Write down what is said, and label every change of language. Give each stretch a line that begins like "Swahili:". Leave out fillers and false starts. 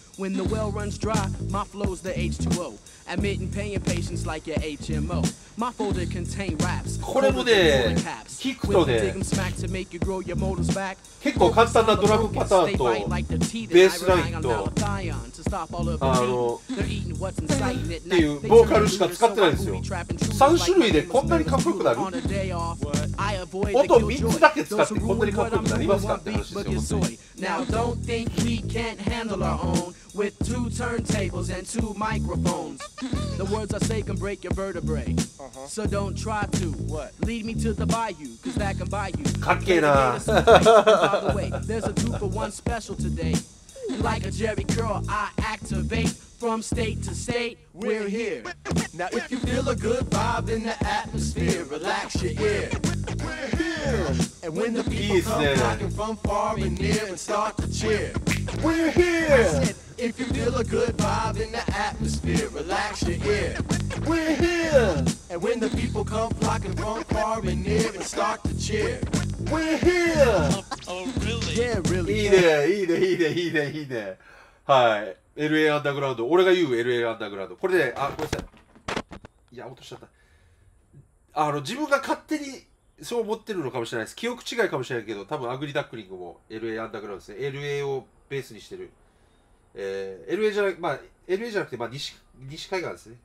English: When the well runs dry, my flow's the H2O. Admitting pain and patience like your HMO. My folder contain raps.
Japanese: これもね、聞くとね、結構簡単なドラムパターンとベースラインと、っていうボーカルしか使ってないんですよ。 3種類でこんなにかっこよくなる？音3つだけ使ってこんなにかっこよくなりますかって話ですよ。
English: Now don't think we can't handle our own with two turntables and two microphones. The words I say can break your vertebrae. So don't try to what? Lead me to the bayou, cause that can buy you.
Japanese: かっけえな。
English: By the way, there's a two for one special today. Like a Jerry curl, I activate from state to state. We're here. Now if you feel a good vibe in the atmosphere, relax your ear. And when the people come knocking from far and near and start to cheer, we're here. I said, if you feel a good vibe in the atmosphere, relax your ear. We're here. And when the people come flocking from far and near and start to cheer, we're here. Oh, really? Yeah, really.
Japanese: いいね。はい。 LA アンダーグラウンド。俺が言う LA アンダーグラウンド。これで、ね、あ、ごめんなさい。いや、落としちゃった。自分が勝手に、そう思ってるのかもしれないです。記憶違いかもしれないけど、多分アグリダックリングも LA アンダーグラウンドですね。 LA をベースにしてる。LA じゃなくて、LA じゃなくて、西海岸ですね。